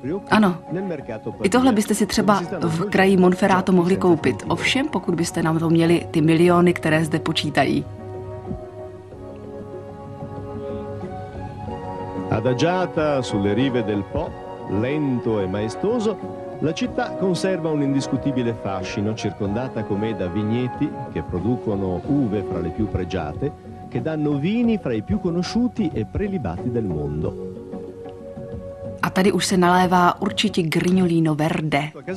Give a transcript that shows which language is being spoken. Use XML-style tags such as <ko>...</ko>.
<cs>Ano, i tohle byste si třeba v kraji Monferrato mohli koupit. Ovšem, pokud byste nám to měli ty miliony, které zde počítají.</cs> <it>Adagiata sulle rive del Po, lento e maestoso, la città conserva un indiscutibile fascino, circondata com'è da vigneti che producono uve fra le più pregiate, che danno vini fra i più conosciuti e prelibati del mondo.</it> <cs>A tady už se nalévá určitě Grignolino Verde.</cs>